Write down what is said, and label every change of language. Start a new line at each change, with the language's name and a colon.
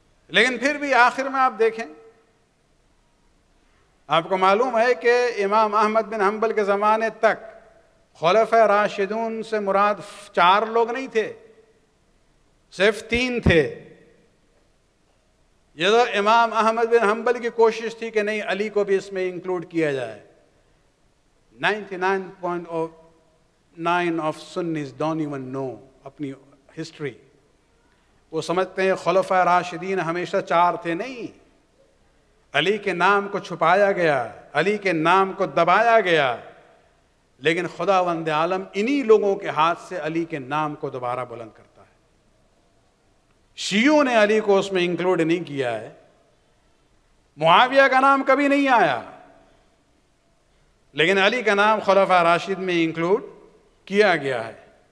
Urdu: لیکن پھر بھی آخر میں آپ دیکھیں, آپ کو معلوم ہے کہ امام احمد بن حنبل کے زمانے تک خلفہ راشدون سے مراد چار لوگ نہیں تھے, صرف تین تھے. یہ تو امام احمد بن حنبل کی کوشش تھی کہ نہیں, علی کو بھی اس میں انکلوڈ کیا جائے.
English: 99.9 of Sunnis don't even know
Urdu: اپنی ہسٹری. وہ سمجھتے ہیں خلفاء راشدین ہمیشہ چار تھے. نہیں, علی کے نام کو چھپایا گیا علی کے نام کو دبایا گیا لیکن خداوند عالم انہی لوگوں کے ہاتھ سے علی کے نام کو دوبارہ بلند کرتا ہے شیعوں نے علی کو اس میں انکلوڈ نہیں کیا ہے معاویہ کا نام کبھی نہیں آیا لیکن علی کا نام خلفاء راشد میں انکلوڈ کیا گیا ہے